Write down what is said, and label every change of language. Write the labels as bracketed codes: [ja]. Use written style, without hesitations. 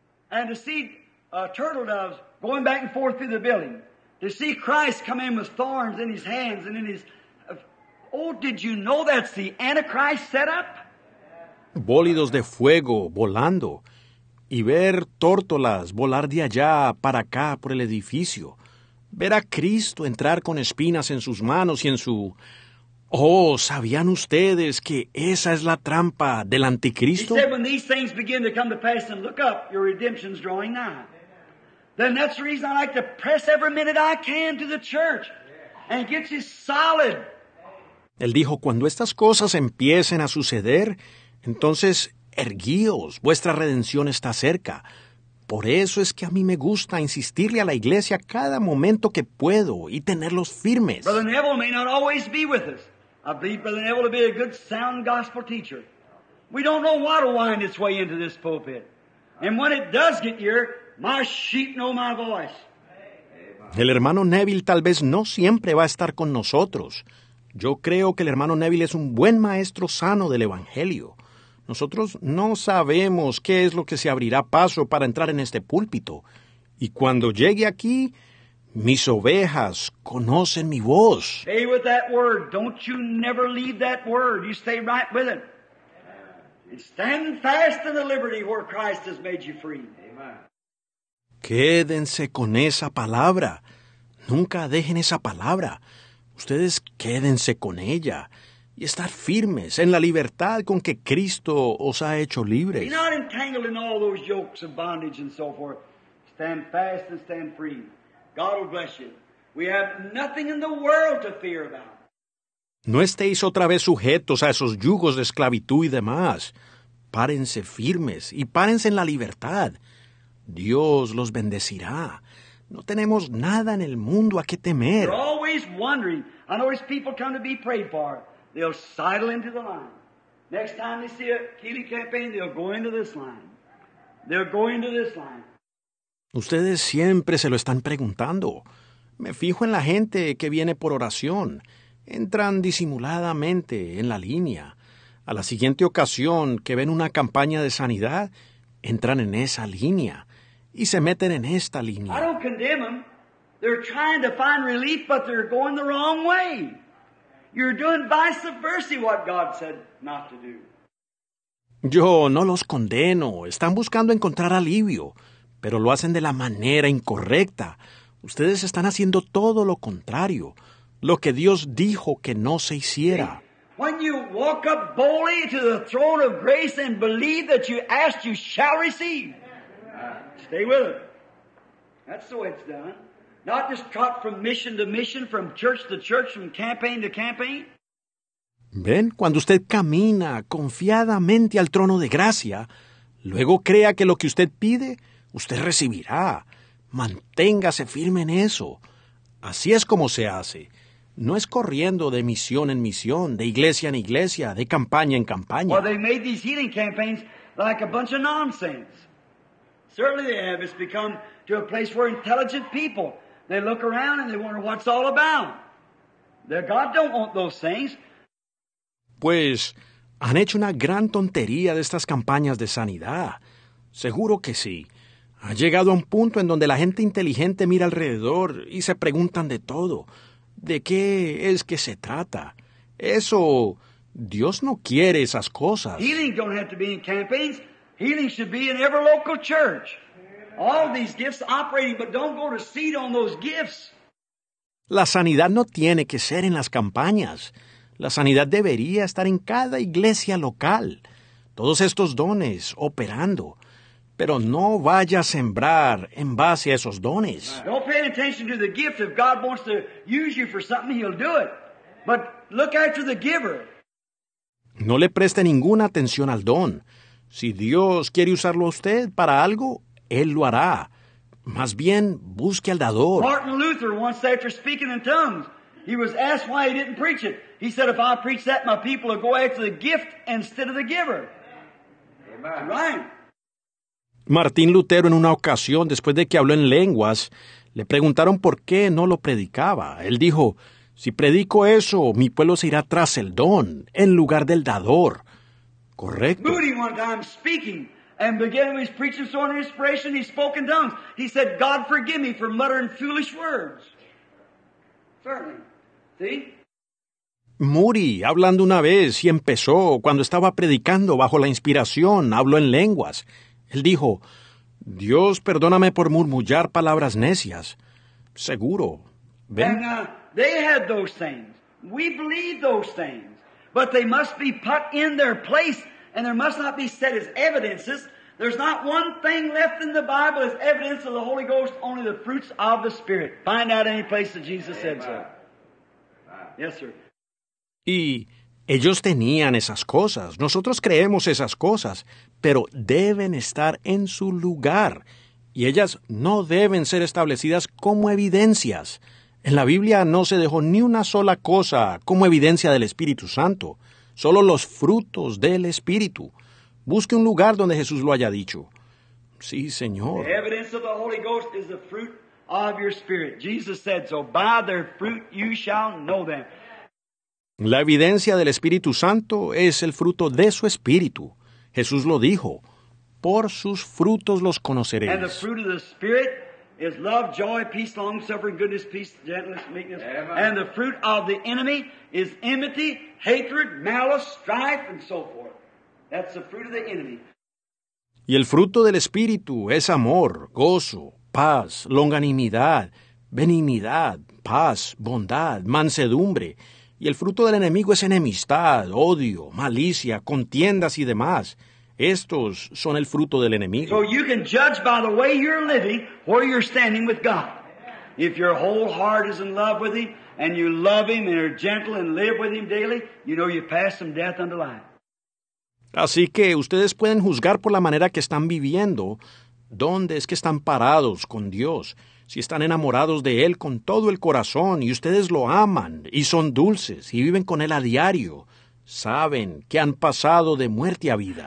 [en] And to see turtle doves going back and forth through the building, to see Christ come in with thorns in His hands and in His... Oh, did you know that's the Antichrist set up? [es] Bólidos de fuego volando y ver tórtolas volar de allá para acá por el edificio. Ver a Cristo entrar con espinas en sus manos y en su... Oh, ¿sabían ustedes que esa es la trampa del anticristo? [en] He said when these things begin to come to pass and look up, your redemption's drawing nigh. Then that's the reason I like to press every minute I can to the church and get you solid. [es] Él dijo, cuando estas cosas empiecen a suceder, entonces, erguíos, vuestra redención está cerca. Por eso es que a mí me gusta insistirle a la iglesia cada momento que puedo y tenerlos firmes. [en] Brother Neville may not always be with us. I believe Brother Neville to be a good sound gospel teacher. We don't know what will wind its way into this pulpit. And when it does get here, my sheep know my voice. [es] El hermano Neville tal vez no siempre va a estar con nosotros. Yo creo que el hermano Neville es un buen maestro sano del Evangelio. Nosotros no sabemos qué es lo que se abrirá paso para entrar en este púlpito. Y cuando llegue aquí, mis ovejas conocen mi voz. [en] Stay with that word. Don't you never leave that word. You stay right with it. And stand fast in the liberty where Christ has made you free. Amen. [es] Quédense con esa palabra. Nunca dejen esa palabra. Ustedes quédense con ella y estar firmes en la libertad con que Cristo os ha hecho libres. [en] Be not entangled in all those yokes of bondage and so forth. Stand fast and stand free. God will bless you. We have nothing in the world to fear about. [es] No estéis otra vez sujetos a esos yugos de esclavitud y demás. Párense firmes y párense en la libertad. Dios los bendecirá. No tenemos nada en el mundo a qué temer. [en] You're always wondering. I know these people come to be prayed for. They'll sidle into the line. Next time they see a Keeley campaign, they'll go into this line. They'll go into this line. [es] Ustedes siempre se lo están preguntando. Me fijo en la gente que viene por oración. Entran disimuladamente en la línea. A la siguiente ocasión que ven una campaña de sanidad, entran en esa línea y se meten en esta línea. [en] I don't condemn them. They're trying to find relief, but they're going the wrong way. You're doing vice versa what God said not to do. [es] Yo no los condeno. Están buscando encontrar alivio, pero lo hacen de la manera incorrecta. Ustedes están haciendo todo lo contrario, lo que Dios dijo que no se hiciera. [en] When you walk up boldly to the throne of grace and believe that you ask, you shall receive. Stay with it. That's the way it's done. Not just trot from mission to mission, from church to church, from campaign to campaign. [es] Ven, cuando usted camina confiadamente al trono de gracia, luego crea que lo que usted pide, usted recibirá. Manténgase firme en eso. Así es como se hace. No es corriendo de misión en misión, de iglesia en iglesia, de campaña en campaña. [en] Well, they made these healing campaigns like a bunch of nonsense. Certainly they have. It's become to a place where intelligent people, they look around and they wonder what's all about. Their God don't want those things. [es] Pues, han hecho una gran tontería de estas campañas de sanidad. Seguro que sí. Ha llegado a un punto en donde la gente inteligente mira alrededor y se preguntan de todo. ¿De qué es que se trata? Eso, Dios no quiere esas cosas. [en] Healing don't have to be in campaigns. Healing should be in every local church. All these gifts operating, but don't go to seed on those gifts. [es] La sanidad no tiene que ser en las campañas. La sanidad debería estar en cada iglesia local. Todos estos dones operando. Pero no vaya a sembrar en base a esos dones. [en] Don't pay attention to the gift. If God wants to use you for something, he'll do it. But look after the giver. [es] No le preste ninguna atención al don. Si Dios quiere usarlo a usted para algo, él lo hará. Más bien, busque al dador. [en] Martin Luther, once after speaking in tongues, he was asked why he didn't preach it. He said, if I preach that, my people will go after the gift instead of the giver. Amen. Right. [es] Martín Lutero, en una ocasión, después de que habló en lenguas, le preguntaron por qué no lo predicaba. Él dijo, si predico eso, mi pueblo se irá tras el don, en lugar del dador. Correcto. [en] Moody, one time speaking, and began his preaching so under inspiration, he spoke in tongues. He said, God forgive me for muttering foolish words. Certainly. See? [es] Moody, hablando una vez, y empezó, cuando estaba predicando bajo la inspiración, habló en lenguas. Él dijo, Dios, perdóname por murmullar palabras necias. Seguro. Ven. [en] And, they had those things. We believe those things. But they must be put in their place, and there must not be set as evidences. There's not one thing left in the Bible as evidence of the Holy Ghost, only the fruits of the Spirit. Find out any place that Jesus said so. Yes, sir. [es] Y ellos tenían esas cosas. Nosotros creemos esas cosas, pero deben estar en su lugar. Y ellas no deben ser establecidas como evidencias. En la Biblia no se dejó ni una sola cosa como evidencia del Espíritu Santo. Solo los frutos del Espíritu. Busque un lugar donde Jesús lo haya dicho. Sí, Señor. [en] The evidence of the Holy Ghost is the fruit of your spirit. Jesus said so. By their fruit you shall know them. [es] La evidencia del Espíritu Santo es el fruto de su Espíritu. Jesús lo dijo, por sus frutos los conoceréis. [en] And the fruit of the Spirit is love, joy, peace, long-suffering, goodness, peace, gentleness, meekness. Amen. And the fruit of the enemy is enmity, hatred, malice, strife, and so forth. That's the fruit of the enemy. [es] Y el fruto del Espíritu es amor, gozo, paz, longanimidad, benignidad, paz, bondad, mansedumbre. Y el fruto del enemigo es enemistad, odio, malicia, contiendas y demás. Estos son el fruto del enemigo. [en] So you can judge by the way you're living where you're standing with God. If your whole heart is in love with him and you love him and are gentle and live with him daily, you know you pass from death unto life. [es] Así que ustedes pueden juzgar por la manera que están viviendo, dónde es que están parados con Dios. Si están enamorados de Él con todo el corazón y ustedes lo aman y son dulces y viven con Él a diario, saben que han pasado de muerte a vida.